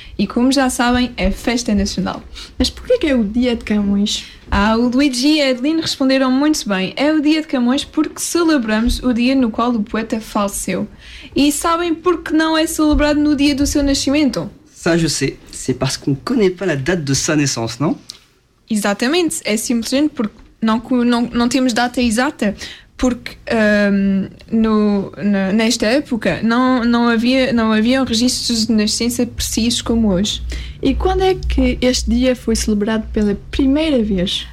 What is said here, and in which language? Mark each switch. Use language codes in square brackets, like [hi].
[pt] E como já sabem, é festa nacional. Mas porquê que é o Dia de Camões? Ah, o Luigi e a Adeline responderam muito bem. É o Dia de Camões porque celebramos o dia no qual o poeta faleceu. E sabem porque não é celebrado no dia do seu nascimento? [fr] Ça, je sais. C'est parce qu'on ne connaît pas la date de sa naissance, non? [pt] Exatamente. É simplesmente porque não temos data exata. Porque nesta época não havia registros de nascença precisos como hoje. E quando é que este dia foi celebrado pela primeira vez?